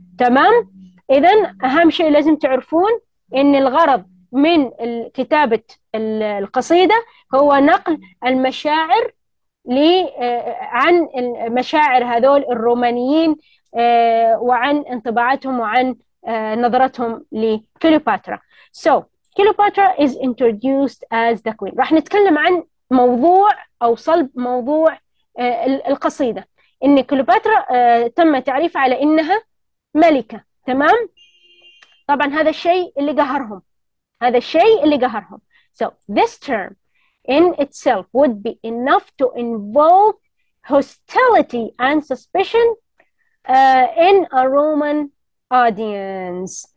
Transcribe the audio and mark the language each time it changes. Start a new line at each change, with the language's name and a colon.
Arabic: تمام؟ إذا أهم شيء لازم تعرفون إن الغرض من كتابة القصيدة هو نقل المشاعر عن مشاعر هذول الرومانيين وعن انطباعاتهم وعن نظرتهم لكليوباترا.
English: So Cleopatra is introduced as the queen.
Arabic: راح نتكلم عن موضوع أو صلب موضوع القصيدة، إن كليوباترا تم تعريفها على إنها ملكة. تمام؟ طبعا هذا الشيء اللي قهرهم، هذا الشيء اللي قهرهم.
English: So this term in itself would be enough to invoke hostility and suspicion in a Roman audience.